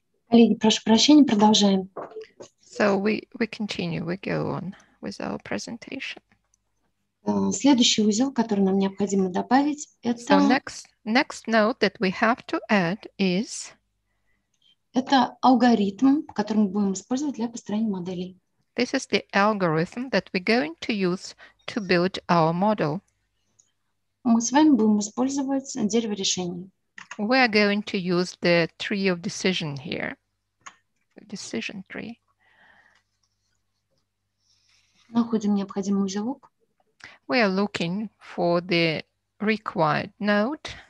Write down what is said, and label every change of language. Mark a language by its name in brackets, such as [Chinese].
[Russian] Коллеги, прошу прощения, продолжаем. [English] So we continue, we go on with our presentation. [Russian] Следующий узел, который нам необходимо добавить, это... [English] So next note that we have to add is... [Russian] Это алгоритм, который мы будем использовать для построения моделей. [English] This is the algorithm that we're going to use to build our model. [Russian] Мы с вами будем использовать дерево решений. [English] We are going to use the tree of decision here, decision tree. [Russian] Находим необходимый узелок. [English] We are looking for the required node.